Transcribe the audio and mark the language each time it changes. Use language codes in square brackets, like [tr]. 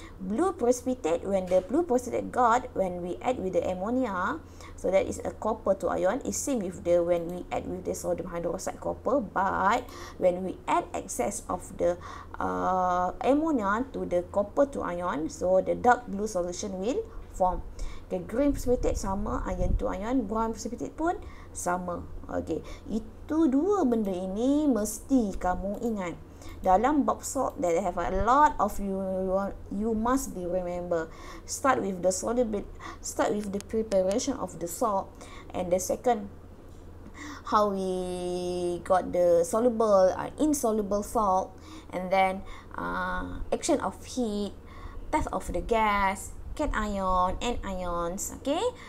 [en] Blue precipitate, when the blue precipitate got, when we add with the ammonia, so that is a copper two ion, is same with the when we add with the sodium hydroxide copper, but when we add excess of the ammonia to the copper two ion, so the dark blue solution will form. [ms] Okay, [en] green precipitate [ms] sama, ion two ion, [en] brown precipitate [ms] pun sama. Okay, itu dua benda ini mesti kamu ingat. Dalam [en] bulk salt, that have a lot of you must be remember. Start with the solubility, start with the preparation of the salt, and the second, how we got the soluble and insoluble salt, and then action of heat, test of the gas, cation, anions, okay?